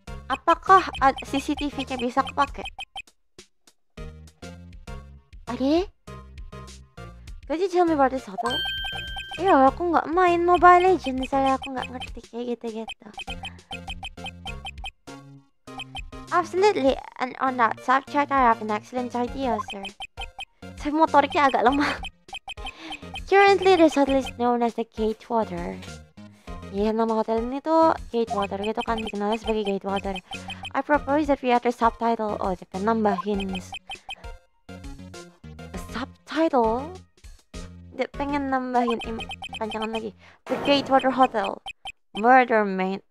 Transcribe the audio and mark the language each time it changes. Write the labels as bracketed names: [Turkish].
[Indonesian] Apakah CCTV-nya bisa kepake? [English] Are? Could you tell me about this photo? [Indonesian] Iya, aku nggak main Mobile Legends. Misalnya aku nggak ngerti kayak gitu-gitu. [English] Absolutely, and on that subject, I have an excellent idea, sir. [Indonesian] Saya motoriknya agak lemah. [English] Currently, this hotel is known as the Gatewater. [Indonesian] Iya, yeah, nama hotel ini tuh Gatewater, gitu kan dikenalnya sebagai Gatewater. [English] I propose that we add a subtitle. [Indonesian] Oh, dia pengen nambah hints. [English] A subtitle? [Indonesian] Dia pengen nambahin panjangan lagi. The Gatewater Hotel. Murder Main...